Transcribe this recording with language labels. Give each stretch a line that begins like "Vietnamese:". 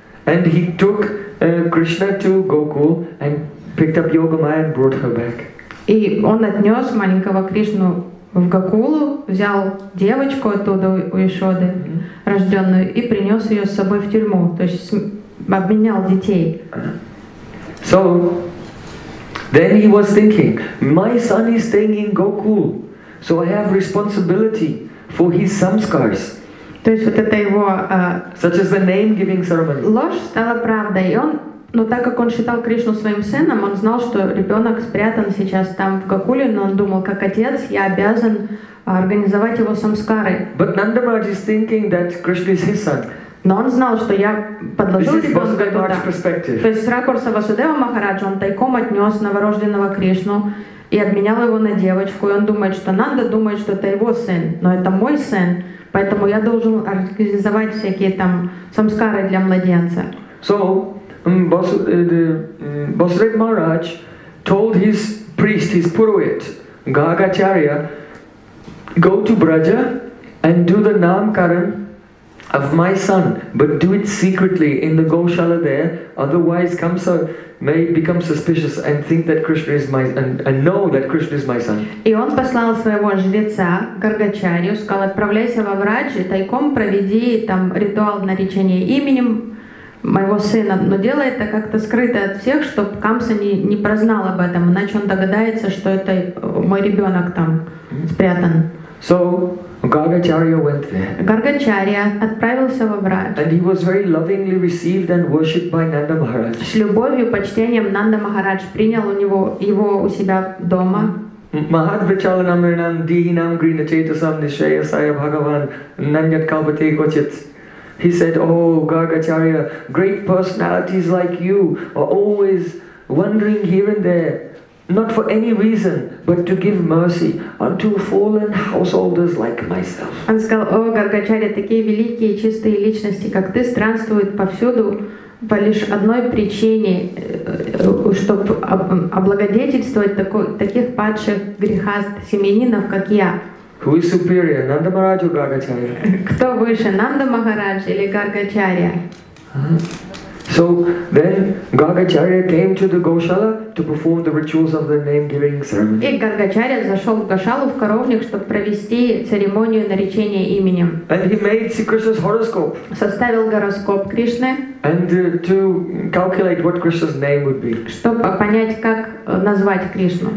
English: And he took Krishna to Gokul and picked up Yogamaya and brought her back.
Russian: И он отнес маленького Кришну в Гокулу, взял девочку оттуда у Ишоды, рожденную, и принес ее с собой в тюрьму, то есть обменял детей.
English: So, then he was thinking, my son is staying in Gokul, so I have responsibility for his samskars.
Russian: То есть вот это его
English: such as the name-giving ceremony.
Russian: Ложь стала правдой, и он, но так как он считал Кришну своим сыном, он знал, что ребенок спрятан сейчас там в Гокуле, но он думал, как отец, я обязан организовать его самскарой.
English: But Nanda Maharaj is thinking that Krishna is his son.
Russian: Но он знал, что я подложил ребенка туда. То есть с ракурса Васудева Махараджа он тайком отнес новорожденного Кришну и обменял его на девочку. И он думает, что Нанда думает, что это его сын, но это мой сын. Поэтому я должен организовать всякие там самскары для младенца.
English: So, Vasudeva Maharaj told his priest, his Purohit, Gagacharya, go to Braja and do the Namkaran of my son, but do it secretly in the Goshala there, otherwise Kamsa may become suspicious and think that Krishna is my and know that Krishna is my son.
Russian: И он послал своего жреца Гаргачарью, сказал: отправляйся во Врадж и тайком проведи там ритуал наречения именем моего сына, но делай это как-то скрыто от всех, чтобы Камса не прознал об этом, иначе он догадается, что это мой ребенок там спрятан.
English: So Gargacharya went there.
Russian: Gargacharya отправился во Врадж.
English: And he was very lovingly received and worshipped by Nanda Maharaj.
Russian: С любовью, почтением Нанда Махарадж принял у него его у себя дома.
Sanskrit: Mahadvichalanamrinam dihinam grina chetasam nishayasaya bhagavan nanyat kalpate kochit.
English: He said, oh Gargacharya, great personalities like you are always wandering here and there. Not for any reason, but to give mercy unto fallen householders like myself.
Russian: Он сказал: о, Гаргачарья, такие великие и чистые личности, как ты, странствуют повсюду по лишь одной причине, чтобы облагодетельствовать таких падших грехаст семьянинов, как я.
English: Who is superior, Nanda Maharaj or Gargacharya?
Russian: Кто выше, Нанда Махарадж или Гаргачарья?
English: So then Gargacharya came to the Goshala to perform the rituals of the name-giving ceremony.
Russian: И Гаргачарья зашел в Гошалу, в коровник, чтобы провести церемонию наречения именем.
English: And he made Krishna's horoscope.
Russian: Составил гороскоп Кришны.
English: And to calculate what Krishna's name would be.
Russian: Чтобы понять, как назвать Кришну.